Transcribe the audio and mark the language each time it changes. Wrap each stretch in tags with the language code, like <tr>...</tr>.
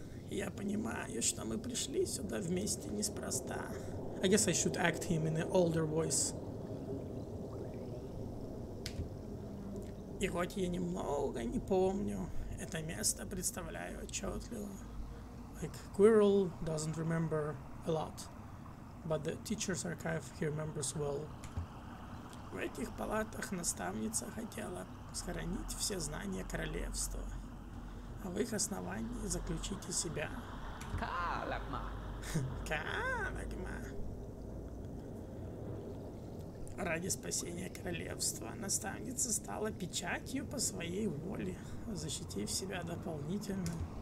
<ru>Я понимаю, что мы пришли сюда вместе неспроста.</ru> <en>I guess I should act him in an older voice.</en> <ru>И хоть я немного не помню, это место представляю отчетливо.</ru> <en>Like, Quirrell doesn't remember a lot, but the teacher's archive he remembers well.</en> <ru>В этих палатах наставница хотела схоронить все знания королевства. А в их основании заключите себя. Калагма. Калагма. Ради спасения королевства наставница стала печатью по своей воле, защитив себя дополнительно.</ru>